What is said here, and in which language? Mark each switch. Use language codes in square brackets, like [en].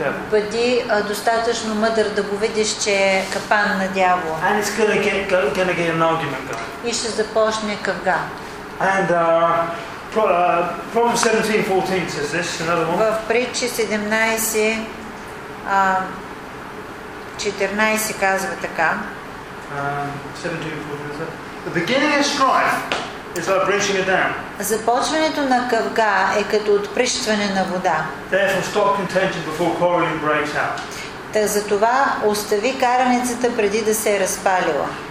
[bg] Бъди достатъчно мъдър да го видиш, че е капан на дявола. [en] And it's gonna get an argument going. [bg] И ще започне кавга. [en] And Proverbs 17:14 says this, another one. [bg] В притчи 17:14 казва така. 17:14. [en] The beginning of strife is like breaching it down. [bg] Започването на кавга е като отприщване на вода. [en] Therefore stop contention before quarreling breaks out. [bg] Та затова остави караницата преди да се е разпалила.